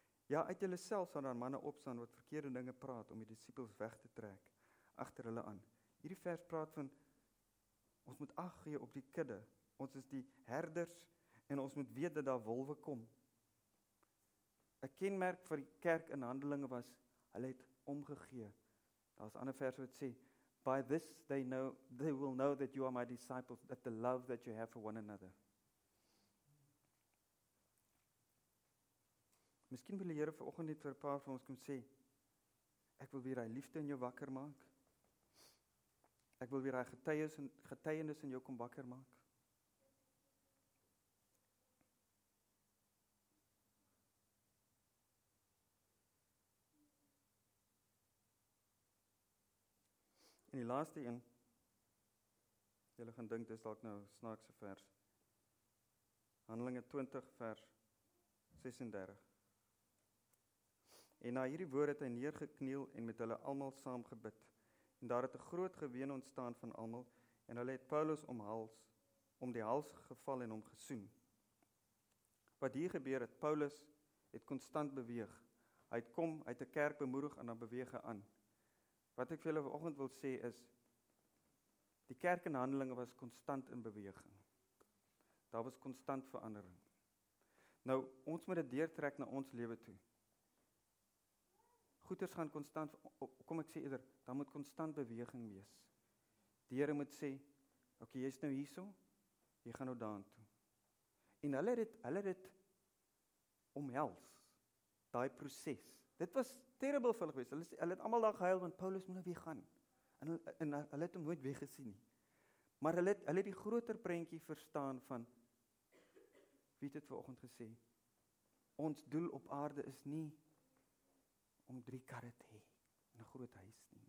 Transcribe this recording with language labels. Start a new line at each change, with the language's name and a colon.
Afrikaans: Ja, uit julle self sal daar manne opstaan wat verkeerde dinge praat om die disippels weg te trek agter hulle aan. Hierdie vers praat van ons moet ag gee op die kudde. Ons is die herders en ons moet weet dat daar wolwe kom. 'N kenmerk vir die kerk in Handelinge was hulle het omgegee. Daar's 'n ander vers wat sê
English: by this they will know that you are my disciples that the love that you have for one another.
Afrikaans: Miskien wil die Here vanoggend net vir 'n paar van ons kom sê ek wil weer hy liefde in jou wakker maak. Ek wil weer hy getuienis in jou kom wakker maak. En die laaste een, julle gaan dink, dis dalk nou snaakse vers. Handelinge 20 vers 36. En na hierdie woord het hy neergekniel en met hulle almal saam gebid. En daar het 'n groot geween ontstaan van almal en hulle het Paulus om die hals geval en hom gesoen. Wat hier gebeur het, Paulus het konstant beweeg. Hy het kom, hy het 'n kerk bemoedig en dan beweeg hy aan. Wat ek vir julle vanoggend wil sê is, die kerk in Handelinge was konstant in beweging. Daar was konstant verandering. Nou, ons moet dit deurtrek na ons lewe toe. Goeders gaan konstant, kom ek sê eerder, daar moet konstant beweging wees. Die Here moet sê, oké, jy is nou hierso, jy gaan nou daan toe. En hulle het omhels, daai proses. Dit was terrible vir hulle gewees, hulle het allemaal daar gehuil, want Paulus moet nou weer gaan. En hulle het hom nooit weer gesien nie. Maar hulle het die groter prentjie verstaan van, wie het vanoggend gesê, ons doel op aarde is nie, om 3 karre te hê in 'n groot huis nie.